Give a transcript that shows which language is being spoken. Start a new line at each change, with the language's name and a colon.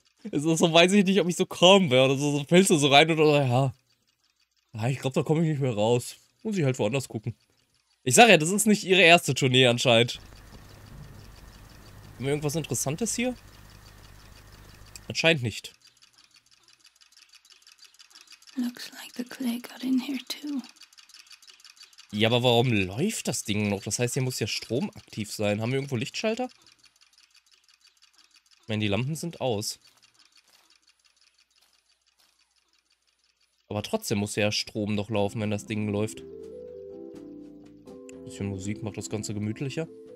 German: Es ist so, weiß ich nicht, ob ich so calm wäre. Oder so fällst du so rein oder so, ja. Ich glaube, da komme ich nicht mehr raus. Muss ich halt woanders gucken. Ich sage ja, das ist nicht ihre erste Tournee anscheinend. Haben wir irgendwas Interessantes hier? Anscheinend nicht.
English: Looks like the clay got in here too.
German: Ja, aber warum läuft das Ding noch? Das heißt, hier muss ja Strom aktiv sein. Haben wir irgendwo Lichtschalter? Ich meine, die Lampen sind aus. Aber trotzdem muss ja Strom noch laufen, wenn das Ding läuft. Ein bisschen Musik macht das Ganze gemütlicher.